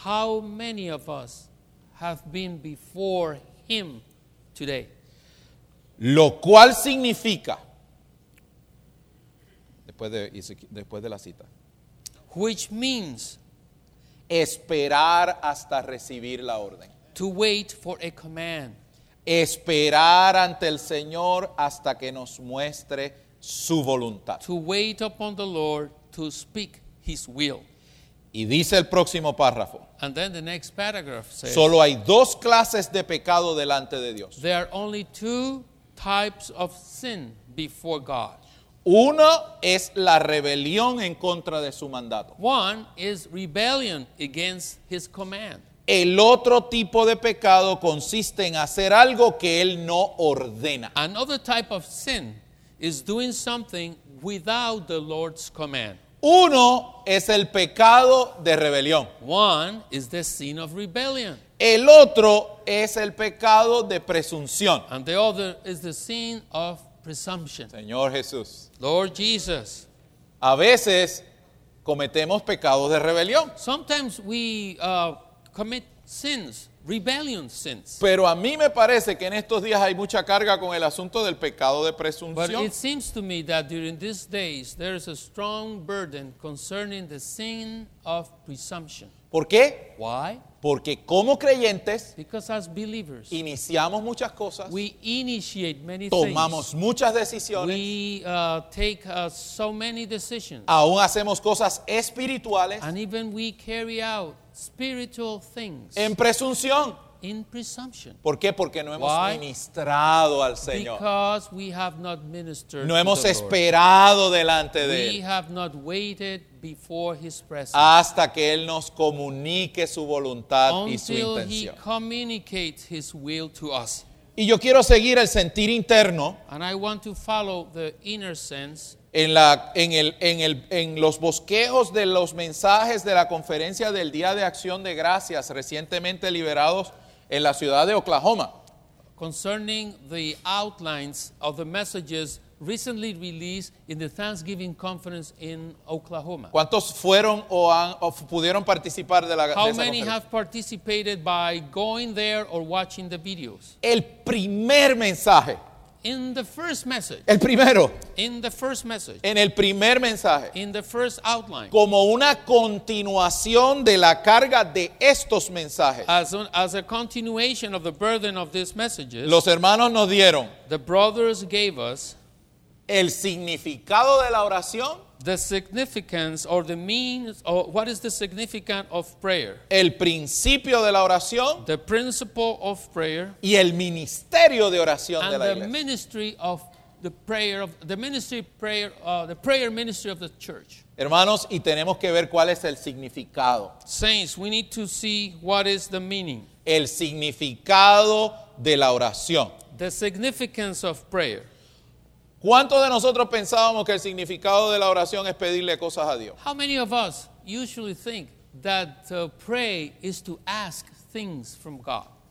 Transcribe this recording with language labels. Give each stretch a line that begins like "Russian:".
English: How many of us have been before Him today?
Spanish: Lo cual significa, después de la cita,
English: which means
Spanish: esperar hasta recibir la orden.
English: To wait for a command.
Spanish: Esperar ante el Señor hasta que nos muestre su voluntad.
English: To wait upon the Lord to speak His will.
Spanish: Y dice el próximo párrafo.
English: And then the next paragraph says,
Spanish: solo hay dos clases de pecado delante de Dios.
English: There are only two types of sin before God.
Spanish: Uno es la rebelión en contra de su mandato.
English: One is rebellion against His command.
Spanish: El otro tipo de pecado consiste en hacer algo que Él no ordena.
English: Another type of sin is doing something without the Lord's command.
Spanish: Uno es el pecado de rebelión.
English: One is the sin of rebellion.
Spanish: El otro es el pecado de presunción.
English: And the other is the sin of presumption.
Spanish: Señor Jesús.
English: Lord Jesus.
Spanish: A veces cometemos pecados de rebelión.
English: Sometimes we commit sins, rebellion sins.
Spanish: Pero a mí me parece que en estos días hay mucha carga con el asunto del pecado de presunción.
English: But it seems to me that during these days there is a strong burden concerning the sin of presumption.
Spanish: ¿Por qué?
English: Why?
Spanish: Porque como creyentes,
English: because as believers,
Spanish: iniciamos muchas cosas,
English: we initiate many things,
Spanish: tomamos muchas decisiones,
English: we take so many decisions,
Spanish: aún hacemos cosas espirituales,
English: and even we carry out spiritual things,
Spanish: en presunción.
English: In presumption.
Spanish: ¿Por qué? Porque no hemos ministrado al Señor.
English: Because we have not ministered.
Spanish: No hemos esperado delante de Él.
English: We have not waited before His presence.
Spanish: Hasta que Él nos comunique su voluntad y su intención.
English: Until He communicates His will to us.
Spanish: Y yo quiero seguir el sentir interno.
English: And I want to follow the inner sense.
Spanish: En los bosquejos de los mensajes de la conferencia del Día de Acción de Gracias recientemente liberados en la ciudad de Oklahoma.
English: Concerning the outlines of the messages recently released in the Thanksgiving Conference in Oklahoma.
Spanish: ¿Cuántos fueron o pudieron participar de la
English: How
Spanish: de esa
English: many
Spanish: conferencia?
English: Have participated by going there or watching the videos?
Spanish: El primer mensaje.
English: In the first message.
Spanish: El primero.
English: In the first message.
Spanish: En el primer mensaje.
English: In the first outline.
Spanish: Como una continuación de la carga de estos mensajes.
English: As a continuation of the burden of these messages.
Spanish: Los hermanos nos dieron.
English: The brothers gave us.
Spanish: El significado de la oración.
English: The significance or the means or what is the significance of prayer.
Spanish: El principio de la oración.
English: The principle of prayer.
Spanish: Y el ministerio de oración de la iglesia.
English: And the ministry of the prayer of the ministry prayer the prayer ministry of the church.
Spanish: Hermanos, y tenemos que ver cuál es el significado.
English: Saints, we need to see what is the meaning.
Spanish: El significado de la oración.
English: The significance of prayer.
Spanish: ¿Cuántos de nosotros pensábamos que el significado de la oración es pedirle cosas a Dios?
English: How many of us usually think that to pray is to ask things from God?